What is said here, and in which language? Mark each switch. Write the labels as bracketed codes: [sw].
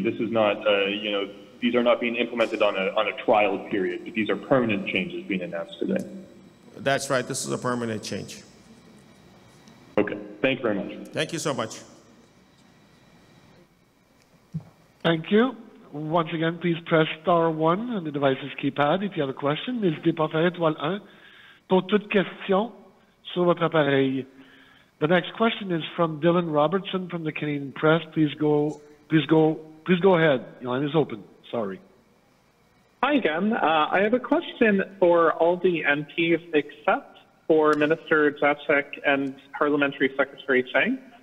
[en] This is not, these are not being implemented on a trial period, but these are permanent changes being announced today. That's right. This is a permanent change. Okay. Thank you very much. Thank you so much. Thank you. Once again, please press star 1 on the device's keypad if you have a question. [fr] N'hésitez pas à faire étoile 1 pour toute question. [en] The next question is from Dylan Robertson from the Canadian Press. Please go ahead. Your line is open. Sorry. Hi again. I have a question for all the MPs except for Minister Jacek and Parliamentary Secretary Chang.